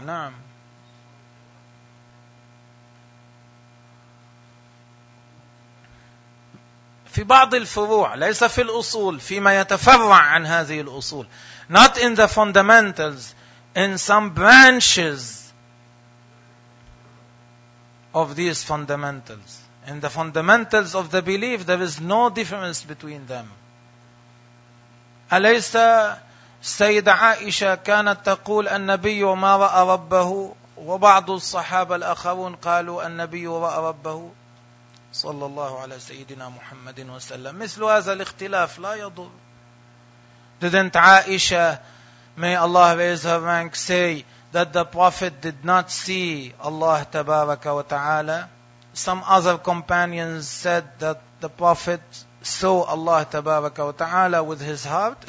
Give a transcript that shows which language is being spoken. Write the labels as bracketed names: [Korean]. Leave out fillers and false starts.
[Arabic] نعم في بعض الفروع ليس في الأصول فيما يتفرع عن هذه الأصول. [English] Not in the fundamentals, in some branches of these fundamentals. In the fundamentals of the belief, there is no difference between them. [Arabic] أليس سيدة عائشة كانت تقول النبي ما رأى ربه وبعض الصحابة الآخرون قالوا النبي رأى ربه صلى الله على سيدنا محمد وسلم. مثل هذا الاختلاف لا يضر. [English] Didn't عائشة, may Allah raise her rank, say that the Prophet did not see Allah [Arabic] تبارك وتعالى. [English] Some other companions said that the Prophet saw Allah Tabaraka wa Ta'ala with his heart.